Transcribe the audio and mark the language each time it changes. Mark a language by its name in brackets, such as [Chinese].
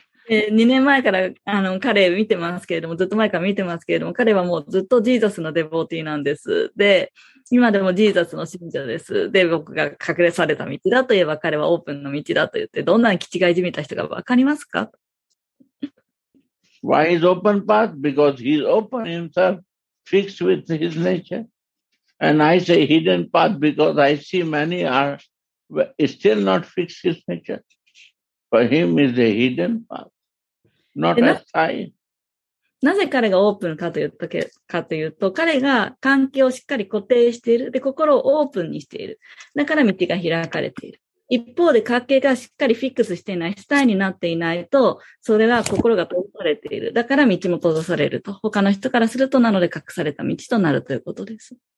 [Japanese] 2年前から彼見てますけれども、ずっと前から見てますけれども、彼はもうずっとジーザスのデボーティーなんです。で、今でもジーザスの信者です。で、僕が隠れされた道だといえば、彼はオープンの道だと言って、どんなに気違いじみた人がわかりますか [English] ?Why is open path? Because he's open himself, fixed with his nature. And I say hidden path because I see many are still not fixed his nature. For him is a hidden path, not a sign. [Japanese] なぜ彼がオープンかというと、彼が関係をしっかり固定している。で、心をオープンにしている。だから道が開かれている。一方で関係がしっかりフィックスしていない、主体になっていないと、それは心が閉ざされている。だから道も閉ざされると。他の人からすると、なので隠された道となるということです。